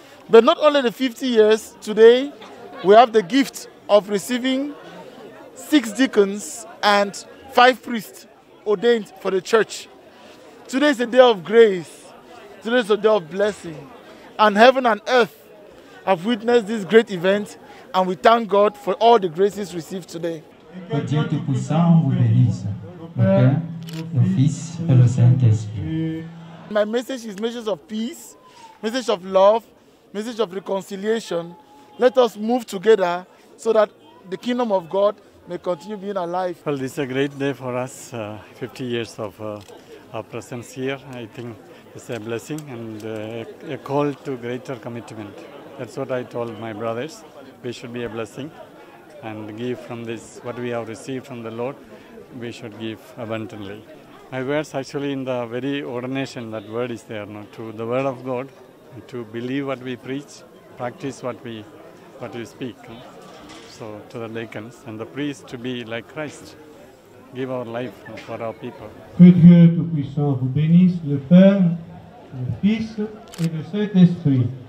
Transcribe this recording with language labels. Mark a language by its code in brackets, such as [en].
[en] But not only the 50 years, today we have the gift of receiving 6 deacons and 5 priests ordained for the church. Today is a day of grace. Today is a day of blessing. And heaven and earth have witnessed this great event, and we thank God for all the graces received today. [fr] Le Dieu Tout-Puissant vous bénisse, le Père, le Fils et le Saint-Esprit. [en] My message is message of peace, message of love, message of reconciliation. Let us move together so that the kingdom of God may continue being alive. Well, this is a great day for us, 50 years of our presence here. I think It's a blessing and a call to greater commitment. That's what I told my brothers. We should be a blessing and give from this, what we have received from the Lord, we should give abundantly. My words actually in the very ordination, that word is there, no? To the word of God, to believe what we preach, practice what we speak. No? So to the deacons and the priests to be like Christ, give our life, no? For our people. [fr] Que Dieu Tout-Puissant vous bénisse, le Père, le Fils et le Saint-Esprit.